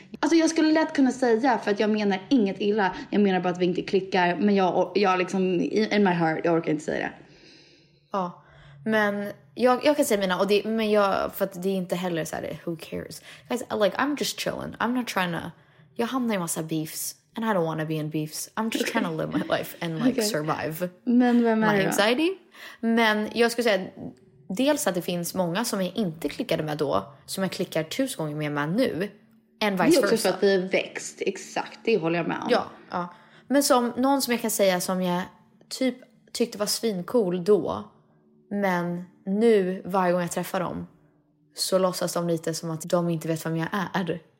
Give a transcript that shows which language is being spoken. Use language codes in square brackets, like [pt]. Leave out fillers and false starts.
[sv] Alltså jag skulle lätt kunna säga, för att jag menar inget illa. Jag menar bara att vi inte klickar. Men jag liksom, [en] in my heart, [sv] jag orkar inte säga det. Ja, men jag kan säga mina. Och det, men jag, för att det är inte heller så här, [en] who cares? Guys, like, I'm just chilling. I'm not trying to... [sv] Jag hamnar i massa beefs. [en] And I don't want to be in beefs. I'm just trying to live my life and like survive. [sv] Men vem är [en] my anxiety. [sv] Men jag skulle säga, dels att det finns många som jag inte klickade med då, som jag klickar tusen gånger mer med nu. [en] And vice versa. [sv] Det är också för att vi växt, exakt. Det håller jag med om. Ja, ja. Men som någon som jag kan säga som jag typ tyckte var svincool då, men nu varje gång jag träffar dem så låtsas de lite som att de inte vet vem jag är.